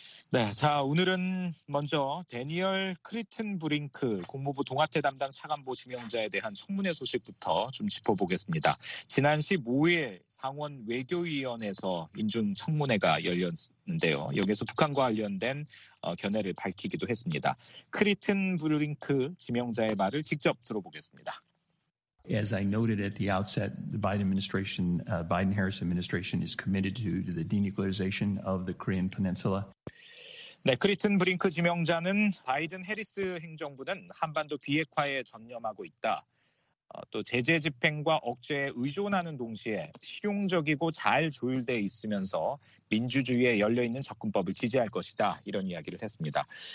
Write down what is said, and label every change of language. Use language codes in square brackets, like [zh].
[ko] 네, 자 오늘은 먼저 대니얼 크리튼 브링크 국무부 동아태 담당 차관보 지명자에 대한 청문회 소식부터 좀 짚어보겠습니다. 지난 15일 상원 외교위원회에서 인준 청문회가 열렸는데요. 여기서 북한과 관련된 견해를 밝히기도 했습니다. 크리튼 브링크 지명자의 말을 직접 들어보겠습니다. [en] As I noted at the outset, the Biden administration, Biden-Harris administration is committed to the denuclearization of the Korean Peninsula. [ko] 네, 크리튼 브링크 지명자는 바이든 해리스 행정부는 한반도 비핵화에 전념하고 있다. 또 제재 집행과 억제에 의존하는 동시에 실용적이고 잘 조율되어 있으면서 민주주의에 열려있는 접근법을 지지할 것이다. 이런 이야기를 했습니다.